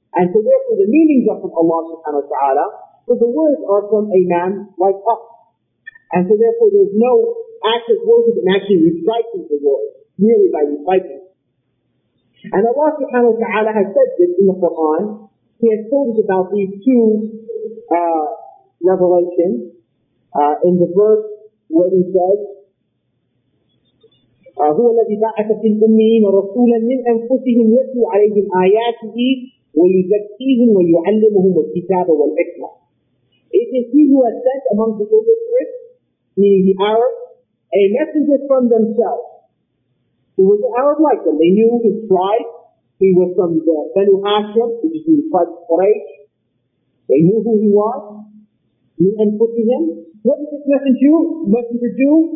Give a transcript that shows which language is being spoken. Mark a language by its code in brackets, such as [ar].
[en] And so therefore the meanings are from Allah subhanahu wa ta'ala, but the words are from a man like us. And so therefore there's no act of worship in actually reciting the word, merely by reciting. And Allah subhanahu wa ta'ala has said this in the Quran. He has told us about these two revelations in the verse where he says, [ar] هو الذي بعث في الأمين رسولا من أنفسهم يتلو عليهم آياته ويزكيهم ويعلمهم الكتاب والحكمة. [en] is he who has sent among the illiterate, meaning the Arabs, a messenger from themselves. He was an Arab like them. They knew his tribe. He was from the Banu Hashim, which is the tribe of Quraysh. They knew who he was. He and putting him. What did this messenger do?